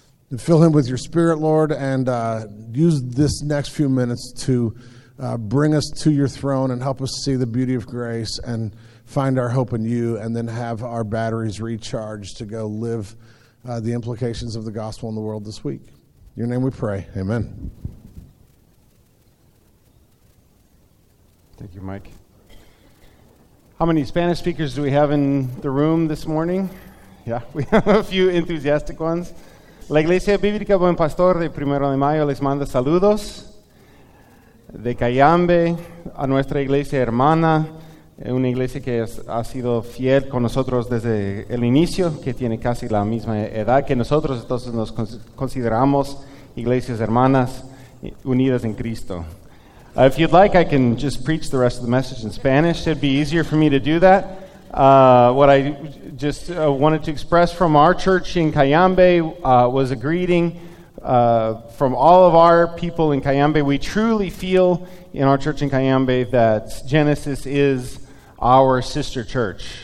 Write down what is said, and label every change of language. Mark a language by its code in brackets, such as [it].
[en] And fill him with your spirit, Lord, and use this next few minutes to bring us to your throne and help us see the beauty of grace and find our hope in you, and then have our batteries recharged to go live the implications of the gospel in the world this week. In your name we pray. Amen. Thank you, Mike. How many Spanish speakers do we have in the room this morning? Yeah, we have a few enthusiastic ones. [es] La Iglesia Bíblica Buen Pastor de Primero de Mayo les manda saludos de Cayambe a nuestra iglesia hermana, una iglesia que ha sido fiel con nosotros desde el inicio, que tiene casi la misma edad que nosotros, entonces nos consideramos iglesias hermanas unidas en Cristo. [en] If you'd like, I can just preach the rest of the message in Spanish. It'd be easier for me to do that. What I just wanted to express from our church in Cayambe was a greeting from all of our people in Cayambe. We truly feel in our church in Cayambe that Genesis is our sister church.